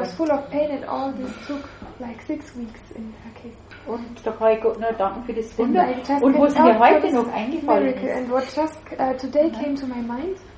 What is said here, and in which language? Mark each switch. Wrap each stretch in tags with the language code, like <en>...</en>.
<en>Was full of pain and all this took like 6 weeks in her case.</en> <de>Und da kann ich Gott nur danken für das Wunder. Und was mir heute noch eingefallen ist.</de> <en>And what just today came to my mind.</en>